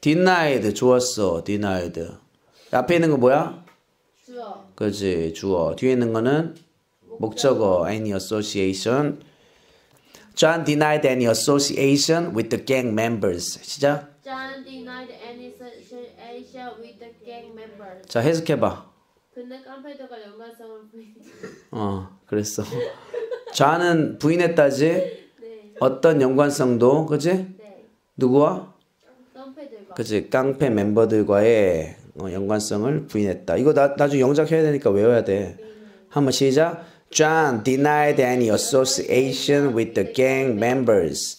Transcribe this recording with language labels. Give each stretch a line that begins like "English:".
Korean: Denied. 좋았어. Denied. 앞에 있는 거 뭐야? 주어. 그렇지. 주어. 뒤에 있는 거는 목적어.
English: Any association. John denied any association with the gang members.
Korean: 시작.
English: John denied any association with the gang members.
Korean: 자, 해석해 봐. 근데 깜페더가 연관성을 부인. 어, 그랬어. John은 부인했다지. 네. 어떤 연관성도, 그렇지? 네. 누구와? 깡패들과. 그렇지. 깡패 멤버들과의 연관성을 부인했다. 이거 나중에 영작 해야 되니까 외워야 돼. 한번 시작.
English: John denied any association with the gang members.